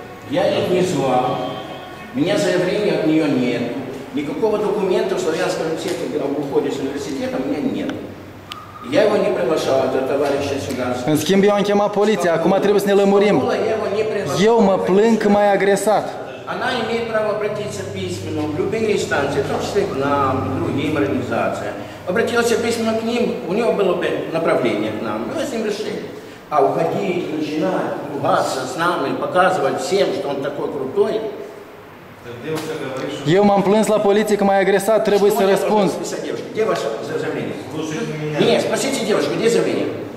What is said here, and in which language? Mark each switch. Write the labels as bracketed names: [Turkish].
[Russian] Я их не звал, меня заявления от нее нет, никакого документа, что я, скажем, все, когда уходишь из университета, у меня нет. Я его не приглашал, это товарища сюда. [Romanian] În schimb, eu am chemat poliția, acum trebuie să ne lămurim. Eu mă plâng că m-ai agresat. [Russian] Она имеет право обратиться письменно в любые инстанции, в том числе к нам, к другим организациям. Обратился письменно к ним, у него было бы направление к нам, мы с ним решили. А уходить, начинать ругаться с нами, показывать всем, что он такой крутой. [Romanian] Eu m-am plâns la poliție că m-ai agresat, trebuie să răspund. [Russian] Где ваше заявление? Нет, спросите девушку, где заявление?